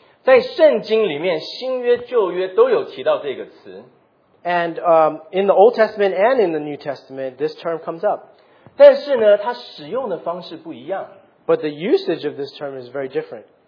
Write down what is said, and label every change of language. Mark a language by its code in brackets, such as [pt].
[zh] 在圣经里面，新约、旧约都有提到这个词。 [en] And in the Old Testament and in the New Testament, this term comes up. [zh] 但是呢，它使用的方式不一样。 [en] But the usage of this term is very different.